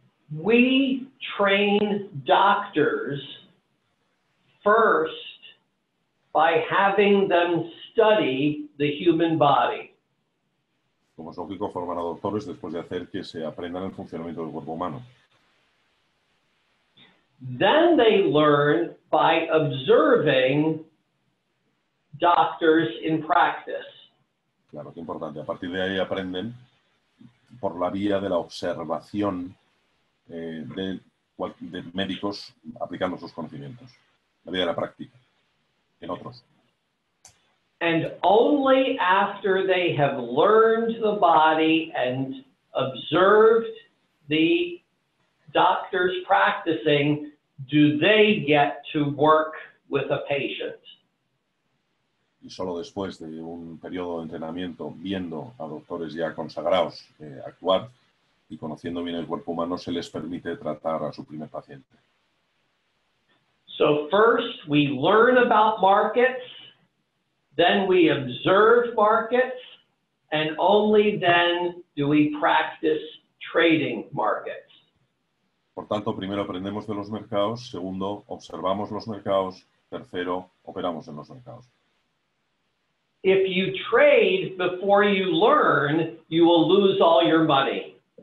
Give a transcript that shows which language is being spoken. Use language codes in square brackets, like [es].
[en] We train doctors first by having them study the human body. [es] Como es lógico, forman a doctores después de hacer que se aprendan el funcionamiento del cuerpo humano. [en] Then they learn by observing doctors in practice. [es] Claro, qué importante. A partir de ahí aprenden por la vía de la observación de médicos aplicando sus conocimientos. La vía de la práctica en otros. [en] And only after they have learned the body and observed the doctors practicing do they get to work with a patient. [es] Y solo después de un periodo de entrenamiento, viendo a doctores ya consagrados actuar y conociendo bien el cuerpo humano, se les permite tratar a su primer paciente. [en] So first we learn about markets, then we observe markets, and only then do we practice trading markets. [es] Por tanto, primero aprendemos de los mercados, segundo, observamos los mercados, tercero, operamos en los mercados. [en] If you trade before you learn, you will lose all your money.